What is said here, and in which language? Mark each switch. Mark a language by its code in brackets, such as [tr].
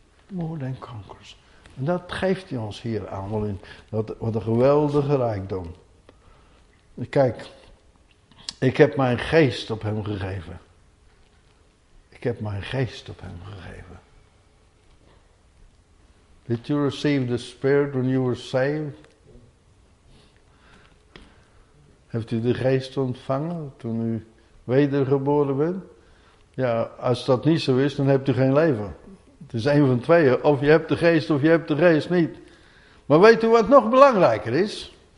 [en] More than conquerors. [nl] En dat geeft hij ons hier aan. Wat een geweldige rijkdom. Kijk, ik heb mijn geest op hem gegeven. Ik heb mijn geest op hem gegeven. [en] Did you receive the Spirit when you were saved? [nl] Heeft u de geest ontvangen toen u wedergeboren bent? Ja, als dat niet zo is, dan hebt u geen leven. Het is één van tweeën. Of je hebt de geest of je hebt de geest niet. Maar weet u wat nog belangrijker is?